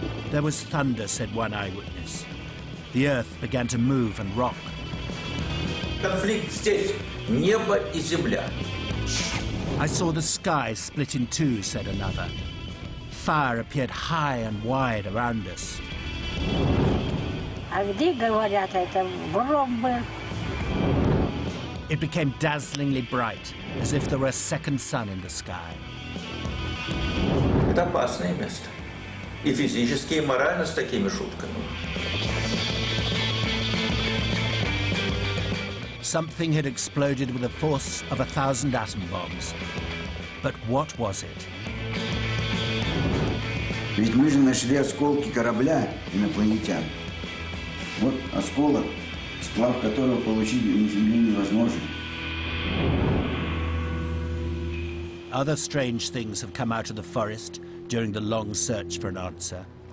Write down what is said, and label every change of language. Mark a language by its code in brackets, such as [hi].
[en] There was thunder, said one eyewitness. The earth began to move and rock. [ru] Conflict здесь, небо и земля. [en] I saw the sky split in two, said another. Fire appeared high and wide around us. [ru] А где, говорят, это гром был? [en] It became dazzlingly bright, as if there were a second sun in the sky. [ru] Это опасное место. И физически, и морально с такими шутками. [en] Something had exploded with a force of 1,000 atom bombs. But what was it? [ru] Ведь мы же нашли осколки корабля инопланетян. Вот осколок, сплав которого получить на Земле невозможно. [en] Other strange things have come out of the forest during the long search for an answer.